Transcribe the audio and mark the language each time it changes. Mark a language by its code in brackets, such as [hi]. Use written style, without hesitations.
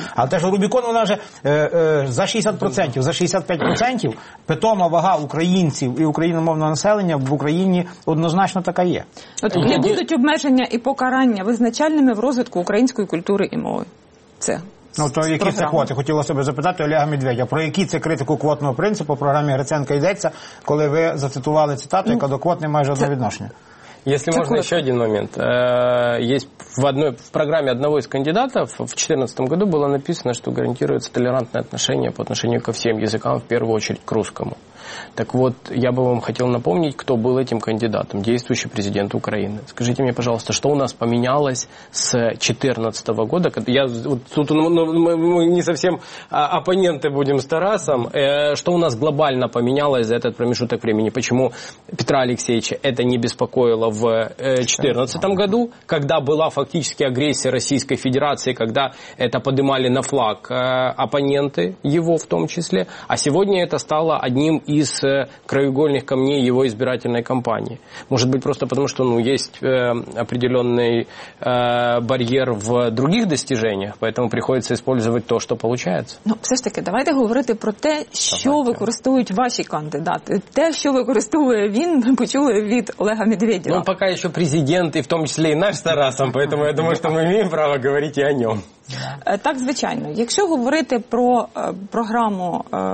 [uk] Але те, що Рубікон, вона вже за 60%, за 65% питома вага українців і україномовного населення в Україні однозначно така є. От не будуть обмеження і покарання визначальними в розвитку української культури і мови. Це. Ну, то які це квоти? Хотіла себе запитати Олега Медведя. Про які це критику квотного принципу в програмі Гриценка йдеться, коли ви зацитували цитату, яка до квот не має жодного відношення? [ru] Если можно, еще один момент. Есть в программе одного из кандидатов в 2014 году было написано, что гарантируется толерантное отношение по отношению ко всем языкам, в первую очередь к русскому. Так вот, я бы вам хотел напомнить, кто был этим кандидатом, действующий президент Украины. Скажите мне, пожалуйста, что у нас поменялось с 2014 года? Я, вот, тут, ну, мы не совсем оппоненты будем с Тарасом. Что у нас глобально поменялось за этот промежуток времени? Почему Петра Алексеевича это не беспокоило в 2014 году, когда была фактически агрессия Российской Федерации, когда это поднимали на флаг оппоненты его в том числе? А сегодня это стало одним из краеугольных камней его избирательной кампании. Может быть, просто потому, что есть определенный барьер в других достижениях, поэтому приходится использовать то, что получается. [uk] Ну, все ж таки, давайте говорити про те, що використовують ваші кандидати. Те, що використовує він, ми почули від Олега Медведєва. Ну, поки що президент, і в тому числі і наш з Тарасом, [ru] поэтому [uk] я думаю, що ми маємо право говорити і о ньому. Так, звичайно. Якщо говорити про програму